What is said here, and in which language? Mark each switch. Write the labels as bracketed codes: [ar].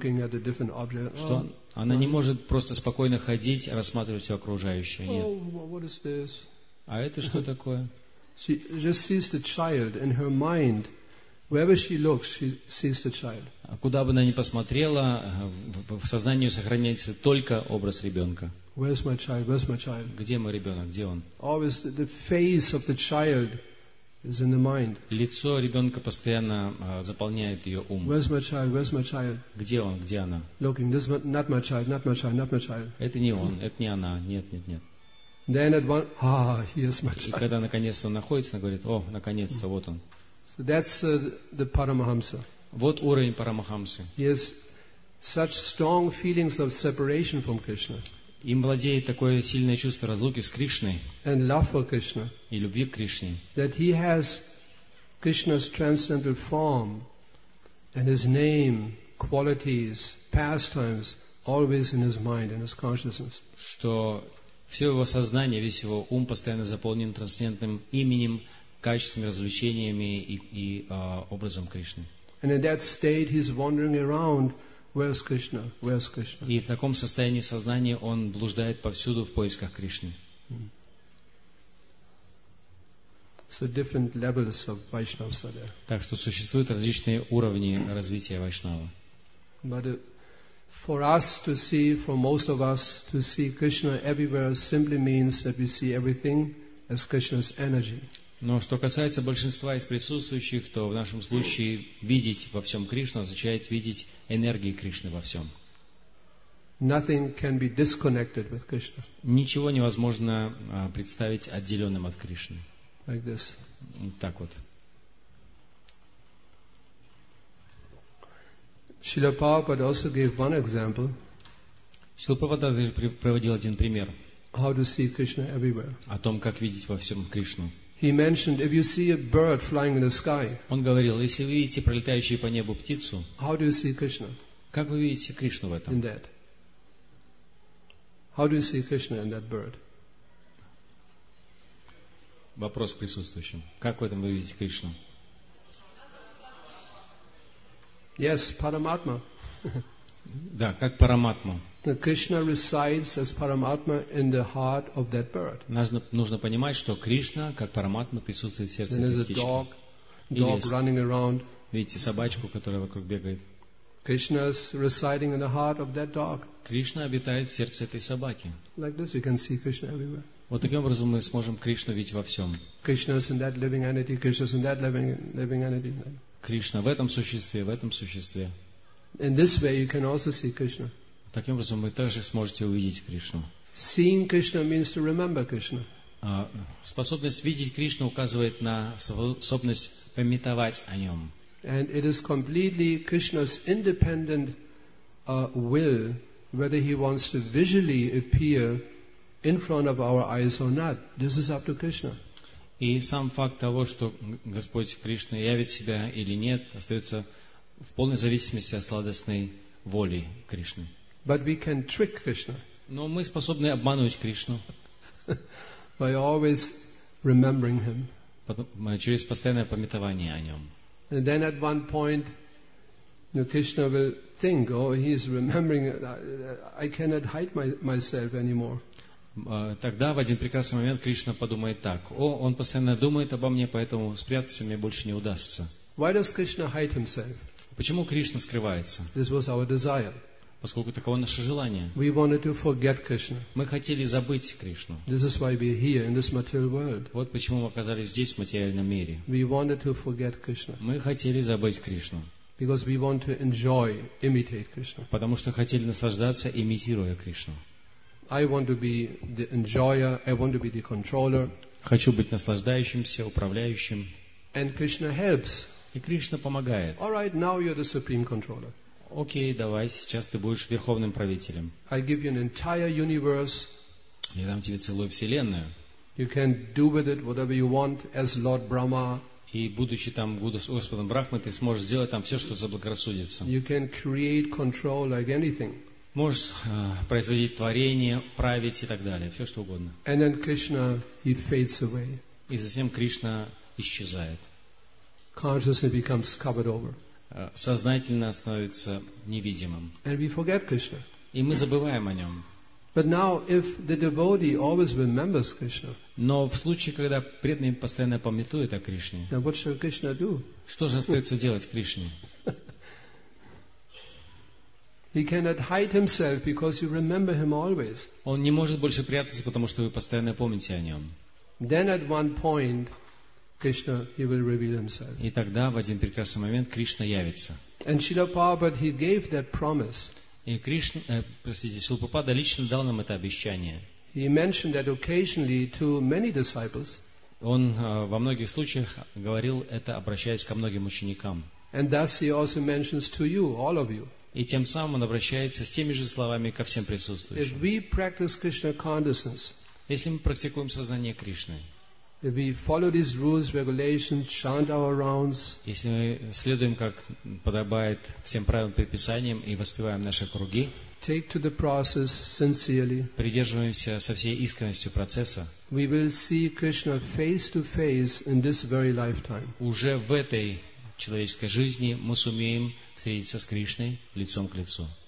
[ru] Что она не может просто спокойно ходить, рассматривать все окружающее. Нет. А это что такое? [en] She just sees the child in her mind. Wherever she looks, she sees the child. [ru] Куда бы она ни посмотрела, в сознании сохраняется только образ ребенка. [en] Where's my child? Where's my child? [ru] Где мой ребенок? Где он? [en] Always the face of the child is in the mind. [ru] Лицо ребенка постоянно заполняет ее ум. [en] Where's my child? Where's my child? [ru] Где он? Где она? [en] Looking. This is not my child. Not my child. Not my child. [ru] Это не он. Это не она. Нет, нет, нет. [en] Then at one, here's my child. [ru] И когда наконец-то он находится, он говорит, о, наконец-то, вот он. [en] So that's the Paramahamsa. [ru] Вот уровень Парамахамсы. [en] He has such strong feelings of separation from Krishna. [ru] Им владеет такое сильное чувство разлуки с Кришной. [en] And love for Krishna. [ru] И любви к Кришне. [en] That he has Krishna's transcendental form and his name, qualities, pastimes always in his mind, in his consciousness. [ru] Что все его сознание, весь его ум постоянно заполнен трансцендентным именем, качествами, развлечениями и образом Кришны. [en] And in that state he's wandering around, where's Krishna? Where's Krishna? [ru] И в таком состоянии сознания он блуждает повсюду в поисках Кришны. [en] So different levels of Vaishnavas are there. [ru] Так что существуют различные уровни развития вайшнава. [en] For us to see, for most of us to see Krishna everywhere, simply means that we see everything as Krishna's energy. [ru] Но что касается большинства из присутствующих, то в нашем случае видеть во всем Кришну означает видеть энергию Кришны во всем. [en] Nothing can be disconnected with Krishna. [ru] Ничего невозможно представить отделенным от Кришны. [en] Like this. [ru] Так вот. [en] Srila Prabhupada also gave one example. [ru] Srila Prabhupada даже приводил один пример. [en] How to see Krishna everywhere. [ru] О том, как видеть во всем Кришну. [en] He mentioned, if you see a bird flying in the sky. [ru] Он говорил, если вы видите пролетающую по небу птицу. [en] How do you see Krishna? [ru] Как вы видите Кришну в этом? [en] In that. How do you see Krishna in that bird? [ru] Вопрос присутствующим. Как в этом вы видите Кришну? [en] Yes, Paramatma. [ru] Да, как Параматма. [en] Krishna resides as Paramatma in the heart of that bird. [ru] Нужно понимать, что Кришна как Параматма присутствует в сердце птички. [en] There's a dog running around. [ru] Видите собачку, которая вокруг бегает. [en] Krishna is residing in the heart of that dog. [ru] Кришна обитает в сердце этой собаки. [en] Like this, we can see Krishna everywhere. [ru] Вот таким образом мы сможем Кришну видеть во всем. [en] Krishna is in that living entity. Krishna is in that living entity. [ru] Кришна в этом существе, в этом существе. [en] In this way you can also see Krishna. [ru] Таким образом вы также сможете увидеть Кришну. [en] Seeing Krishna means to remember Krishna. [ru] Способность видеть Кришну указывает на способность памятовать о нем. [en] And it is completely Krishna's independent will whether he wants to visually appear in front of our eyes or not. This is up to Krishna. [ru] И сам факт того, что Господь Кришна явит себя или нет, остается в полной зависимости от сладостной воли Кришны. [en] But we can trick Krishna. [ru] Но мы способны обманывать Кришну. [en] By always remembering him. [ru] Через постоянное памятование о нем. [en] And then at one point, you know, Krishna will think, oh, he is remembering, I cannot hide myself anymore. [ru] Тогда в один прекрасный момент Кришна подумает так: о, он постоянно думает обо мне, поэтому спрятаться мне больше не удастся. [en] Why does Krishna hide himself? [ru] Почему Кришна скрывается? [en] This was our desire. [ru] Поскольку таково наше желание. [en] We wanted to forget Krishna. [ru] Мы хотели забыть Кришну. [en] This is why we are here in this material world. [ru] Вот почему мы оказались здесь, в материальном мире. [en] We wanted to forget Krishna. [ru] Мы хотели забыть Кришну. [en] Because we want to enjoy, imitate Krishna. [ru] Потому что хотели наслаждаться, имитируя Кришну. [en] I want to be the enjoyer, I want to be the controller. [ru] Хочу быть наслаждающимся, управляющим. [en] And Krishna helps. [ru] И Кришна помогает. [en] All right, now you're the supreme controller. [ru] Окей, давай, сейчас ты будешь верховным правителем. [en] I give you an entire universe. [ru] Я дам тебе целую вселенную. [en] You can do with it whatever you want as Lord Brahma. [ru] И будучи там Господом Брахмы, ты сможешь сделать там все, что заблагорассудится. [en] You can create control like anything. [ru] Можешь производить творение, править и так далее, все что угодно. [en] And then Krishna, he fades away. [ru] И затем Кришна исчезает. [en] Consciousness becomes covered over. [ru] Сознательно становится невидимым. [en] And we forget Krishna. [ru] И мы забываем о нем. [en] But now, if the devotee always remembers Krishna, [ru] но в случае, когда преданный постоянно памятует о Кришне, [en] then what shall Krishna do? [ru] Что же остается делать Кришне? [en] He cannot hide himself because you remember him always. [ru] Он не может больше прятаться, потому что вы постоянно помните о нем. [en] Then at one point, Krishna, he will reveal himself. [ru] И тогда в один прекрасный момент Кришна явится. [en] And Srila Prabhupada, he gave that promise. [ru] И Кришна, простите, Шрила Прабхупада лично дал нам это обещание. [en] He mentioned that occasionally to many disciples. [ru] Он во многих случаях говорил это, обращаясь ко многим ученикам. [en] And thus he also mentions to you, all of you. [ru] И тем самым он обращается с теми же словами ко всем присутствующим. Если мы практикуем сознание Кришны, если мы следуем, как подобает, всем правилам предписаниям и воспеваем наши круги, придерживаемся со всей искренностью процесса, уже в этой человеческой жизни мы сумеем встретиться с Кришной лицом к лицу.